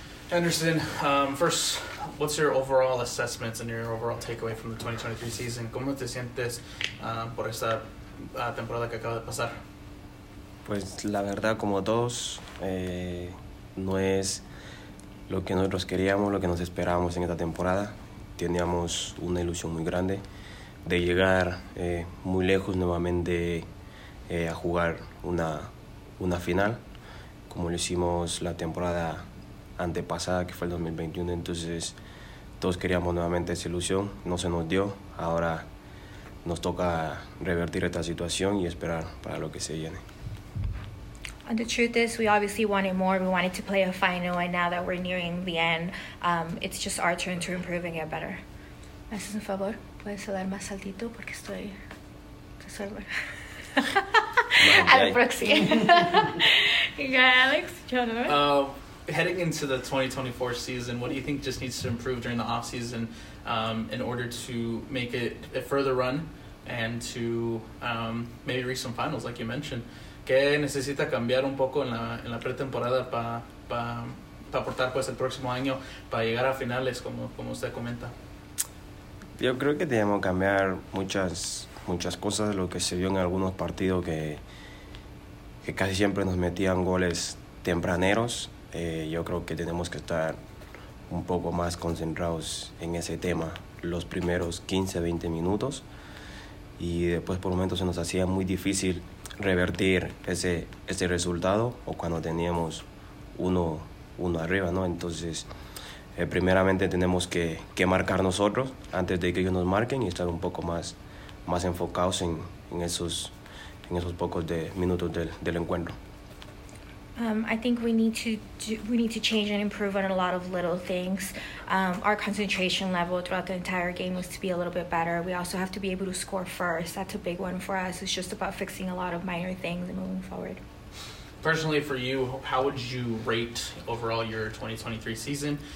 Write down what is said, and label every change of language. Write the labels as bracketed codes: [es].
[en] Anderson, first, what's your overall assessments and your overall takeaway from the 2023 season? [es] ¿Cómo te sientes por esta temporada que acaba de pasar? Pues la verdad, como todos, no es lo que nosotros queríamos, lo que nos esperábamos en esta temporada. Teníamos una ilusión muy grande de llegar muy lejos nuevamente a jugar una final, como lo hicimos la temporada antepasada, que fue el 2021. Entonces todos queríamos nuevamente esa ilusión, no se nos dio. Ahora nos toca revertir esta situación y esperar para lo que se viene. [en] And the truth is, we obviously wanted more. We wanted to play a final, and now that we're nearing the end, it's just our turn to improve and get better. [es] ¿Me haces un favor? ¿Puedes hablar más altito? Porque estoy... Al próximo. [en] Alex, heading into the 2024 season, what do you think just needs to improve during the offseason in order to make it a further run and to maybe reach some finals, like you mentioned? [es] ¿Qué necesita cambiar un poco en la pretemporada pa aportar pues el próximo año para llegar a finales, como usted comenta? Yo creo que tenemos que cambiar muchas cosas, lo que se vio en algunos partidos que casi siempre nos metían goles tempraneros. Yo creo que tenemos que estar un poco más concentrados en ese tema los primeros 15, 20 minutos, y después por momentos se nos hacía muy difícil revertir ese resultado, o cuando teníamos uno arriba, ¿no? Entonces, primeramente tenemos que marcar nosotros antes de que ellos nos marquen y estar un poco más enfocados en esos pocos de minutos del encuentro. [en] I think we need to change and improve on a lot of little things. Our concentration level throughout the entire game was to be a little bit better. We also have to be able to score first. That's a big one for us. It's just about fixing a lot of minor things and moving forward. Personally, for you, how would you rate overall your 2023 season?